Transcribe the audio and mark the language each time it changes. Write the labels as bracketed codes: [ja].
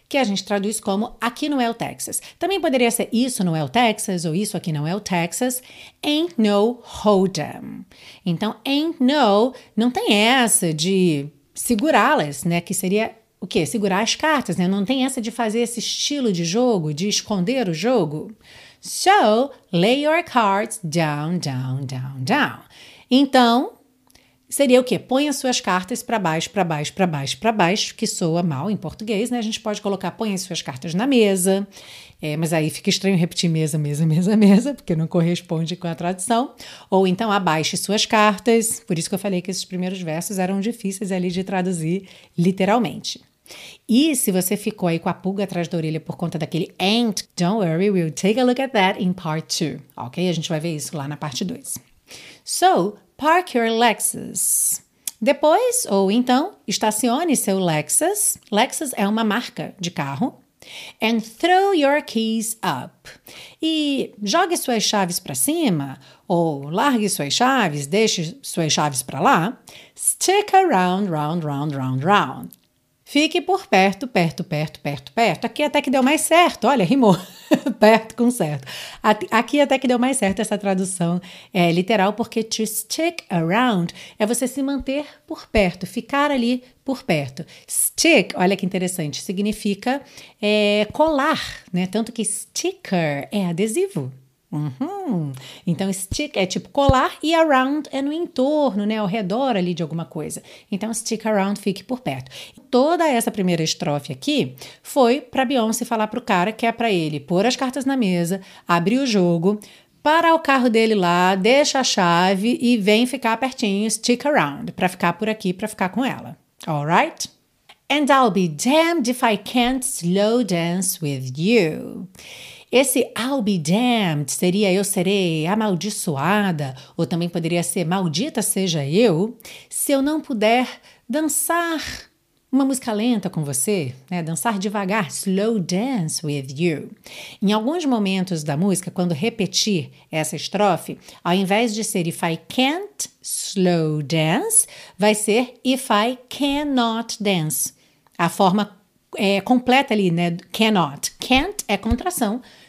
[pt] que a gente traduz como aqui no El Texas. Também poderia ser isso no El Texas ou isso aqui no El Texas. [en] Ain't no hold'em. [pt] Então, ain't no, não tem essa de segurá-las, né? Que seria o quê? Segurar as cartas, né? Não tem essa de fazer esse estilo de jogo, de esconder o jogo. [en] So, lay your cards down, down, down, down. [pt] Então, seria o quê? Põe as suas cartas para baixo, para baixo, para baixo, para baixo, que soa mal em português, né? A gente pode colocar põe as suas cartas na mesa, mas aí fica estranho repetir mesa, mesa, mesa, mesa, porque não corresponde com a tradução. Ou então abaixe suas cartas, por isso que eu falei que esses primeiros versos eram difíceis ali de traduzir literalmente. E se você ficou aí com a pulga atrás da orelha por conta daquele ain't, [en] don't worry, we'll take a look at that in part 2, [pt] ok? A gente vai ver isso lá na parte 2. [en] So, park your Lexus. [pt] Depois, ou então, estacione seu Lexus. Lexus é uma marca de carro. [en] And throw your keys up. [pt] E jogue suas chaves para cima, ou largue suas chaves, deixe suas chaves para lá. [en] Stick around, round, round, round, round. [pt] Fique por perto, perto, perto, perto, perto. Aqui até que deu mais certo, olha, rimou. Perto com certo. Aqui até que deu mais certo essa tradução literal, porque to stick around é você se manter por perto, ficar ali por perto. Stick, olha que interessante, significa colar, né? Tanto que sticker é adesivo. Uhum. Então, stick é tipo colar e around é no entorno, né? Ao redor ali de alguma coisa. Então, stick around, fique por perto. Toda essa primeira estrofe aqui foi para Beyoncé falar pro cara que é para ele pôr as cartas na mesa, abrir o jogo, parar o carro dele lá, deixa a chave e vem ficar pertinho, stick around, para ficar por aqui, para ficar com ela. [en] Alright? And I'll be damned if I can't slow dance with you. [pt] Esse [en] I'll be damned [pt] seria eu serei amaldiçoada, ou também poderia ser maldita seja eu, se eu não puder dançar uma música lenta com você, né? Dançar devagar, [en] slow dance with you. [pt] Em alguns momentos da música, quando repetir essa estrofe, ao invés de ser [en] if I can't slow dance, [pt] vai ser [en] if I cannot dance. [pt] A forma completa ali, né? Cannot. Can't é contração.